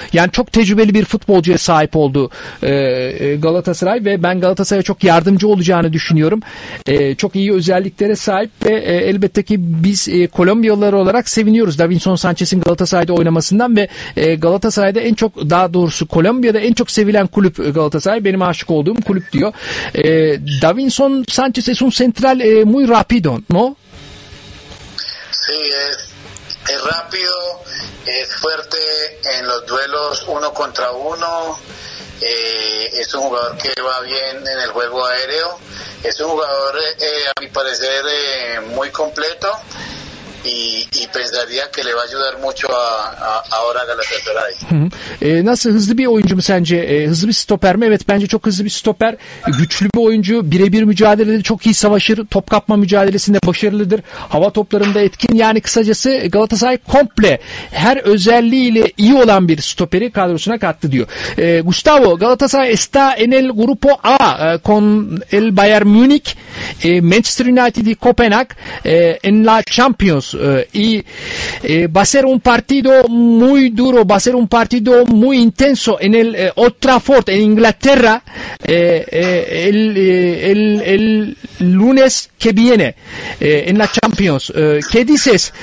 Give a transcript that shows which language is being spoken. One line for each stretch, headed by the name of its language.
Turkish: Yani çok tecrübeli bir futbolcuya sahip oldu Galatasaray ve ben Galatasaray'a çok yardımcı olacağını düşünüyorum. Çok iyi özelliklere sahip ve elbette ki biz Kolombiyalılar olarak seviniyoruz Davinson Sanchez'in Galatasaray'da oynamasından ve Galatasaray'da en çok, daha doğrusu Kolombiya'da en çok sevilen kulüp Galatasaray, benim aşık olduğum kulüp diyor.
Spanish: Davinson Sanchez es un central muy rápido, ¿no? Sí, es rápido, es fuerte en los duelos uno contra uno. Es un jugador que va bien en el juego aéreo. Es un jugador, a mi parecer, muy completo y pensaría que le va a ayudar mucho ahora a Galatasaray.
Turkish: Nasıl, hızlı bir oyuncu mu sence? Hızlı bir stoper mi? Evet, bence çok hızlı bir stoper. Güçlü bir oyuncu. Birebir mücadelede çok iyi savaşır. Top kapma mücadelesinde başarılıdır. Hava toplarında etkin. Yani kısacası Galatasaray komple her özelliğiyle iyi olan bir stoperi kadrosuna kattı diyor.
Spanish: Gustavo, Galatasaray está en el grupo A con el Bayern Munich, Manchester United y Copenhague en la Champions. y va a ser un partido muy duro, va a ser un partido muy intenso en el Old Trafford, en Inglaterra, el lunes que viene, en la Champions. ¿Qué dices?